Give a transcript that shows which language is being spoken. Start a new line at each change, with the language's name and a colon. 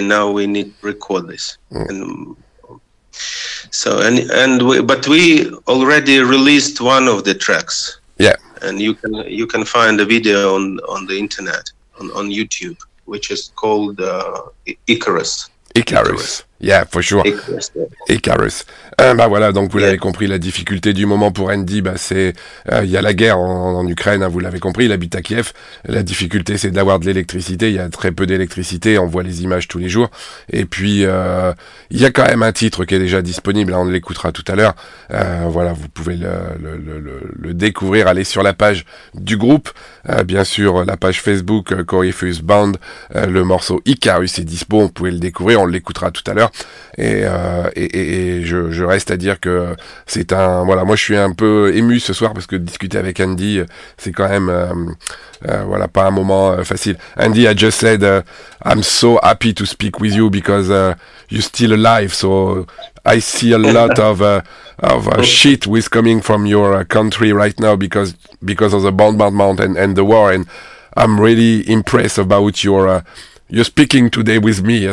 English: Now we need to record this. Mm. And we already released one of the tracks. Yeah. And you can find a video on the internet on YouTube, which is called Icarus. Icarus. Yeah, for sure. Icarus.
French: Voilà, donc vous l'avez compris, la difficulté du moment pour Andy, c'est il y a la guerre en Ukraine, hein, vous l'avez compris, il habite à Kiev. La difficulté, c'est d'avoir de l'électricité. Il y a très peu d'électricité, on voit les images tous les jours. Et puis il y a quand même un titre qui est déjà disponible, hein, on l'écoutera tout à l'heure. Voilà, vous pouvez le découvrir, aller sur la page du groupe, bien sûr la page Facebook Corypheus Band. Le morceau Icarus est dispo, vous pouvez le découvrir, on l'écoutera tout à l'heure. Et je reste à dire que c'est un, voilà, moi je suis un peu ému ce soir, parce que discuter avec Andy, c'est quand même voilà, pas un moment facile.
English: Andy, I just said I'm so happy to speak with you, because you're still alive, so I see a lot of shit with coming from your country right now because of the bombardment and the war, and I'm really impressed about your speaking today with me.